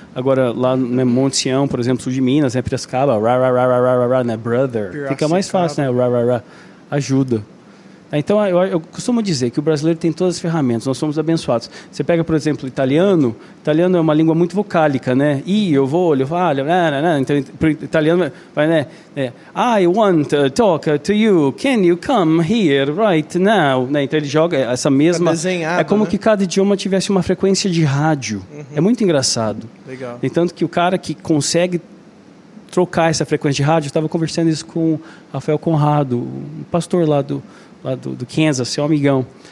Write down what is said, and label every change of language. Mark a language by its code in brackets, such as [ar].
[pt] Agora, lá no Monte Sião, por exemplo, sul de Minas, né? Piracicaba, ra, ra, ra, ra, ra, ra, ra, né? Brother. Fica mais fácil, né? Ra, ra, ra. Ajuda. Então, eu costumo dizer que o brasileiro tem todas as ferramentas, nós somos abençoados. Você pega, por exemplo, italiano é uma língua muito vocálica, né? Eu vou, olho, eu falo, então, italiano vai, né? [en] I want to talk to you, can you come here right now? [pt] Né? Então, ele joga essa mesma... É como que cada idioma tivesse uma frequência de rádio. Uhum. É muito engraçado. Legal. E tanto que o cara que consegue trocar essa frequência de rádio, eu estava conversando isso com o Rafael Conrado, um pastor lá do Kansas, seu amigão.